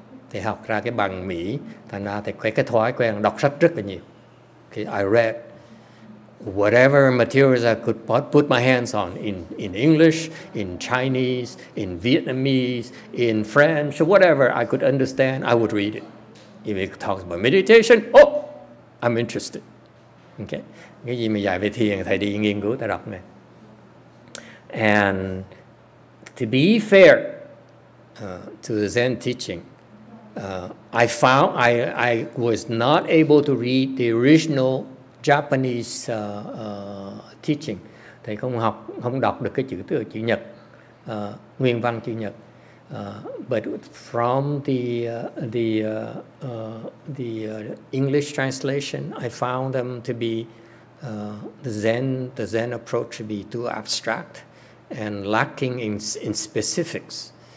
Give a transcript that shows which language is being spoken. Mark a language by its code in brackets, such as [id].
[vi] Thì học ra cái bằng Mỹ, thành ra thì có cái thói quen đọc sách rất là nhiều. [en] Okay, I read whatever materials I could put my hands on in English, in Chinese, in Vietnamese, in French, whatever I could understand, I would read it. If it talks about meditation, oh, I'm interested. [vi] Okay, cái gì mà dạy về thiền thầy đi nghiên cứu, thầy đọc này. [en] And to be fair to the Zen teaching, I was not able to read the original Japanese teaching. [vi] Thầy không đọc được cái chữ Nhật, nguyên văn chữ Nhật. [en] But from the English translation, I found them to be the Zen approach to be too abstract and lacking in specifics.